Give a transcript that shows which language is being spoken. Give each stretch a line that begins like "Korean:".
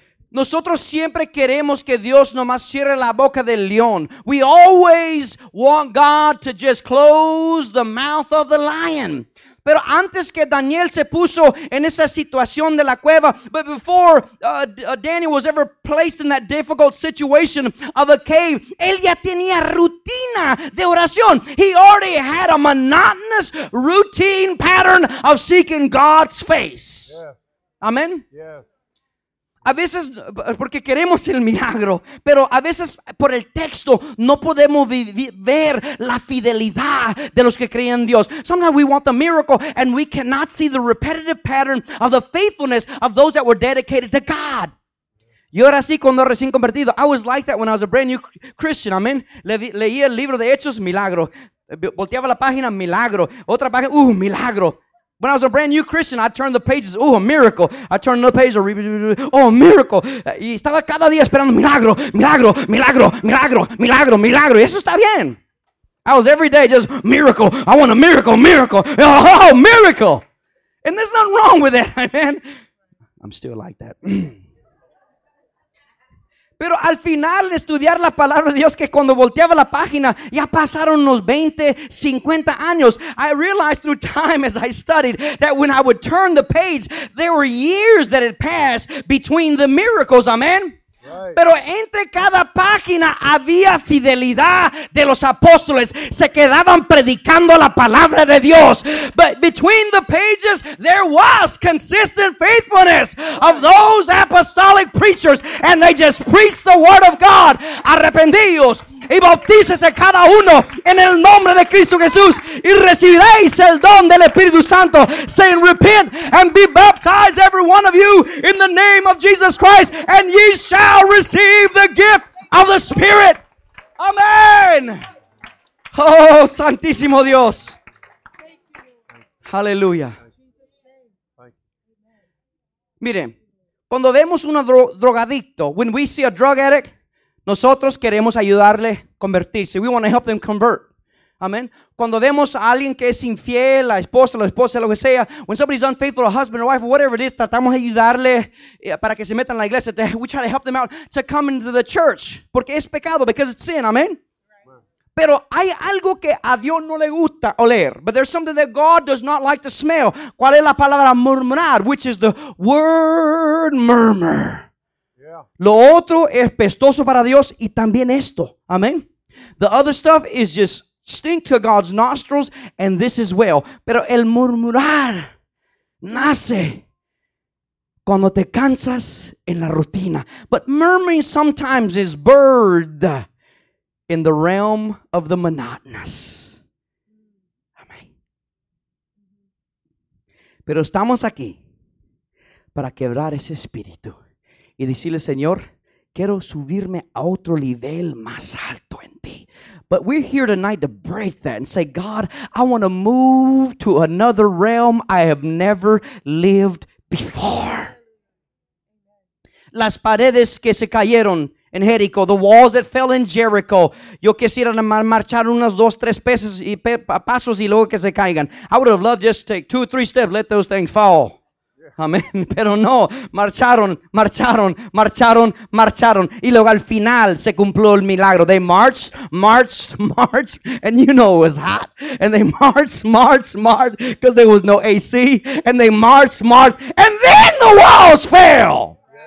Spanish: Nosotros siempre queremos que Dios nomás cierre la boca del león.
English: We always want God to just close the mouth of the lion.
Spanish: Pero antes que Daniel se puso en esa situación de la cueva,
English: but before Daniel was ever placed in that difficult situation of a cave,
Spanish: él ya tenía rutina de oración.
English: He already had a monotonous routine pattern of seeking God's face. Yeah. Amen? Yeah.
Spanish: A veces porque queremos el milagro, pero a veces por el texto no podemos ver la fidelidad de los que creen en Dios.
English: Sometimes we want the miracle and we cannot see the repetitive pattern of the faithfulness of those that were dedicated to God.
Spanish: Yo era así cuando recién convertido.
English: I was like that when I was a brand new Christian.
Spanish: Amen. Leía el libro de Hechos, milagro. Volteaba la página, milagro. Otra página, milagro.
English: When I was a brand new Christian, I turned the pages, a miracle. I turned another page, a miracle.
Spanish: Y estaba cada día esperando, milagro, milagro, milagro, milagro, milagro, milagro. Y eso está bien.
English: I was every day just, miracle, I want a miracle, miracle, oh, miracle. And there's nothing wrong with that, amen. I'm still like that.
Spanish: Pero al final estudiar la palabra de Dios que cuando volteaba la página ya pasaron unos 20, 50 años.
English: I realized through time as I studied that when I would turn the page, there were years that had passed between the miracles. Amen. Right.
Spanish: Pero entre cada página había fidelidad de los apóstoles. Se quedaban predicando la palabra de Dios.
English: But between the pages, there was consistent faithfulness of those apostolic preachers. And they just preached the word of God.
Spanish: Arrepentíos y bautícese cada uno en el nombre de Cristo Jesús. Y recibiréis el don del Espíritu Santo.
English: Saying, repent and be baptized, every one of you, in the name of Jesus Christ. And ye shall receive the gift of the Spirit.
Spanish: Amen. Oh, Santísimo Dios. Hallelujah. Miren, cuando vemos un drogadicto,
English: when we see a drug addict,
Spanish: nosotros queremos ayudarle a convertirse.
English: We want to help them convert.
Spanish: Amen. Cuando vemos a alguien que es infiel, la esposa, lo que sea,
English: when somebody's unfaithful, a husband or wife or whatever it is,
Spanish: tratamos de ayudarle para que se metan en la iglesia.
English: We try to help them out to come into the church.
Spanish: Porque es pecado,
English: because it's sin. Amen.
Spanish: Pero hay algo que a Dios no le gusta oler.
English: But there's something that God does not like to smell.
Spanish: ¿Cuál es la palabra murmurar?
English: Which is the word murmur.
Spanish: Lo otro es pestoso para Dios y también esto. Amen.
English: The other stuff is just stink to God's nostrils, and this as well.
Spanish: Pero el murmurar nace cuando te cansas en la rutina.
English: But murmuring sometimes is birthed in the realm of the monotonous.
Spanish: Amén. Pero estamos aquí para quebrar ese espíritu y decirle, Señor, quiero subirme a otro nivel más alto en ti.
English: But we're here tonight to break that and say, God, I want to move to another realm I have never lived before.
Spanish: Las paredes que se cayeron en Jericho,
English: the walls that fell in Jericho.
Spanish: Yo quisiera marchar unas dos, tres pasos y luego que se caigan.
English: I would have loved just to take 2 or 3 steps, let those things fall.
Spanish: Amén. Pero no, marcharon. Y luego al final se cumplió el milagro.
English: They marched, and you know it was hot. And they marched, because there was no AC. And they marched, and then the walls fell.